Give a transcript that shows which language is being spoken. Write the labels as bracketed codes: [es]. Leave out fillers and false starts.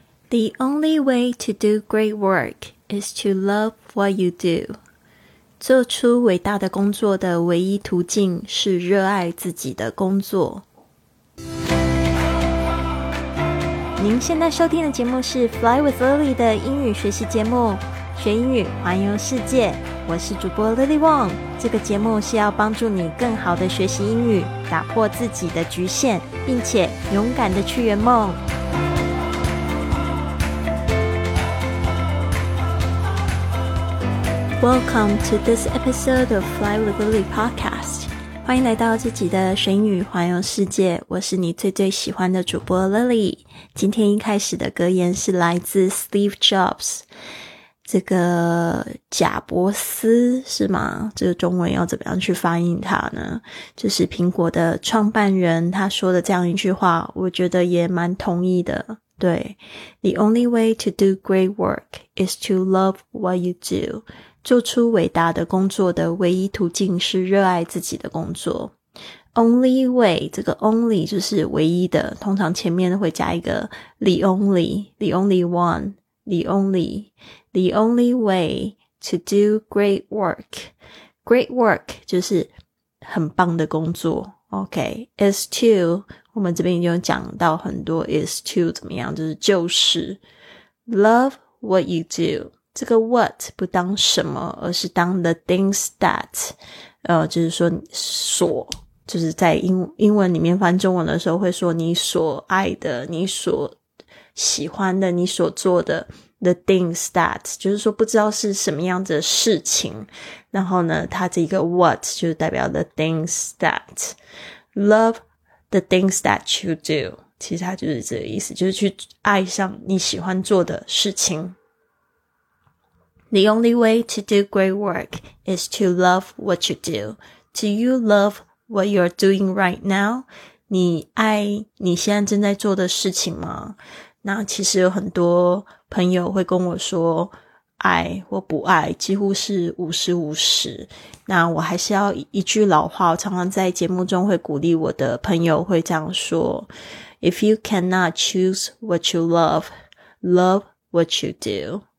[en] The only way to do great work is to love what you do. [zh] 做出伟大的工作的唯一途径是热爱自己的工作。您现在收听的节目是 Fly with Lily 的英语学习节目，学英语环游世界。我是主播 Lily Wong。这个节目是要帮助你更好的学习英语，打破自己的局限，并且勇敢的去圆梦。 [en] Welcome to this episode of Fly with Lily podcast. [zh] 欢迎来到自己的学英语环游世界，我是你最最喜欢的主播 Lily。今天一开始的格言是来自 Steve Jobs， 这个贾伯斯是吗？这个中文要怎么样去发音它呢？就是苹果的创办人，他说的这样一句话，我觉得也蛮同意的。对， [en] The only way to do great work is to love what you do. [zh] 做出伟大的工作的唯一途径是热爱自己的工作。 [en] Only way， 这个 only [zh] 就是唯一的，通常前面会加一个 [en] the only， the only one， the only， the only way to do great work， great work [zh] 就是很棒的工作。 OK， is to， 我们这边已经有讲到很多 is to 怎么样，就是 [en] love what you do。 [zh] 这个 what 不当什么，而是当 [en] the things that， [zh] 就是说所，就是在英文里面翻中文的时候会说你所爱的，你所喜欢的，你所做的 the things that， 就是说不知道是什么样子的事情，然后呢它这个 what 就代表 the things that [en] love the things that you do， [zh] 其实它就是这个意思，就是去爱上你喜欢做的事情。 [en] The only way to do great work is to love what you do. Do you love what you're doing right now? [zh] 你爱你现在正在做的事情吗？那其实有很多朋友会跟我说爱或不爱，几乎是50-50。那我还是要一句老话，我常常在节目中会鼓励我的朋友会这样说， [en] If you cannot choose what you love, love what you do.